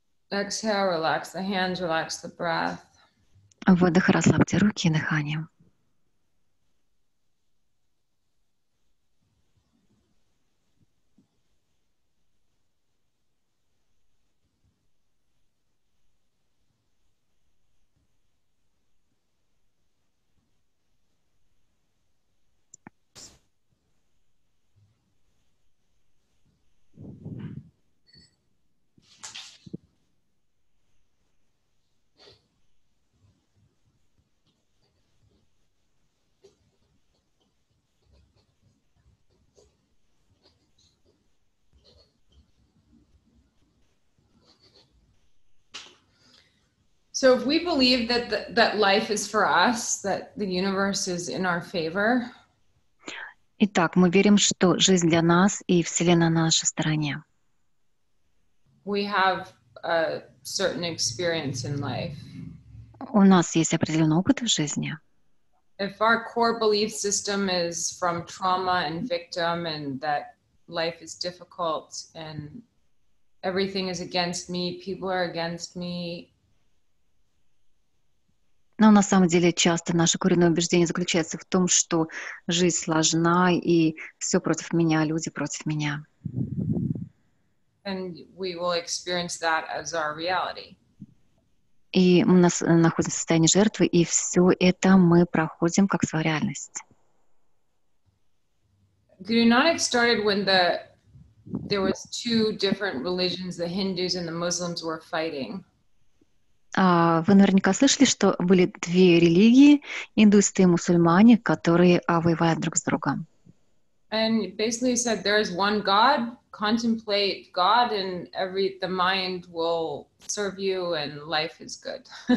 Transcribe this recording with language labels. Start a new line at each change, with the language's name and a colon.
English: Exhale, relax the hands, relax the breath.
Russian: Выдох, расслабьте руки и дыхание.
English: So if we believe that that life is for us, that the universe is in our favor.
Russian: Итак, мы верим, что жизнь для нас и Вселенная на нашей стороне.
English: We have a certain experience in life.
Russian: У нас есть определенный опыт в жизни.
English: If our core belief system is from trauma and victim and that life is difficult and everything is against me, people are against me.
Russian: Но на самом деле часто наше коренное убеждение заключается в том, что жизнь сложна и все против меня, люди против меня.
English: And we will experience that as our reality.
Russian: И мы находимся в состоянии жертвы, и все это мы проходим как свою реальность.
English: Guru Nanak started when there was two different religions, the Hindus and the Muslims were fighting.
Russian: Вы наверняка слышали, что были две религии, индусы и мусульмане, которые воевали друг с другом.
English: And basically he said, there is one God, contemplate God, and the mind will serve you, and life is good.